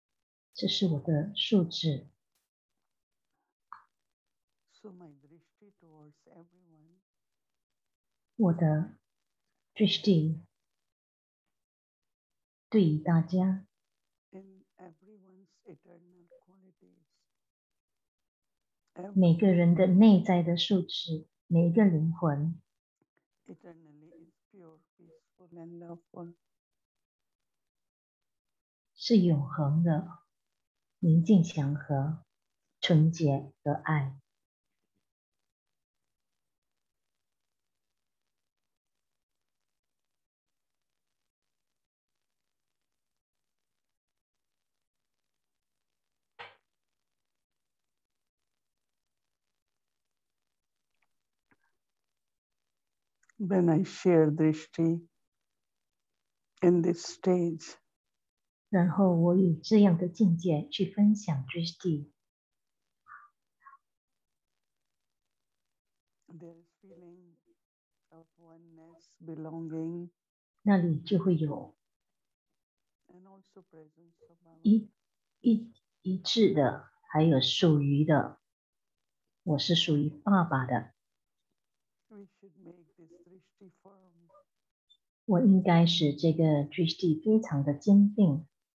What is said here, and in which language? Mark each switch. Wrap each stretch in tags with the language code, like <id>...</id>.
<zh>我拥有这个宁静祥和与爱，这是我的素质。</zh> <en>So my drishti towards everyone.</en> <zh>我的drishti对于大家。</zh> <en>In everyone's eternal qualities.</en> <zh>每个人的内在的素质，每一个灵魂。</zh> <en>Eternally is pure, peaceful, and loveful.</en> <zh>是永恒的，宁静祥和，纯洁的爱。</zh> <en>When I share drishti in this stage,</en> <zh>然后我以这样的境界去分享 drishti,</zh> <en>there's feeling of oneness, belonging,</en> <zh>那里就会有</zh> <en>and also presence of our</en> <zh>一致的，还有属于的，我是属于爸爸的。</zh> <en>We should make this drishti firm.</en> <zh>我应该使这个drishti非常的坚定。</zh>